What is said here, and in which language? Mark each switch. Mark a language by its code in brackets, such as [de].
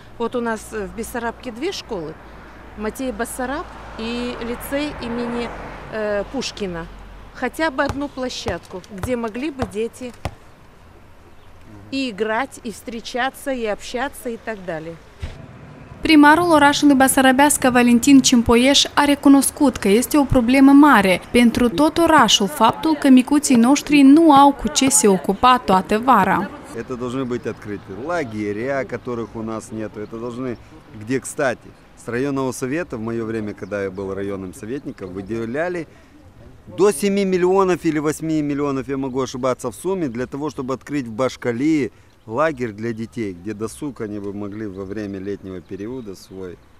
[ru] Вот у нас в Бессарабке две школы. Матей Бессараб и лицей имени Пушкина. Хотя бы одну площадку, где могли бы дети и играть, и встречаться, и общаться, и так далее. [ro] Primarul orașului Basarabeasca, Valentin Cimpoieș, a recunoscut că este o problemă mare pentru tot orașul faptul că micuții noștri nu au cu ce se ocupa toată vara. [ru] Это должны быть открытые лагеря, которых у нас нету. Это должны... Где, кстати, с районного совета в мое время, когда я был районным советником, выделяли до 7 миллионов или 8 миллионов, я могу ошибаться, в сумме, для того, чтобы открыть в Башкалии лагерь для детей, где досуг они бы могли во время летнего периода свой.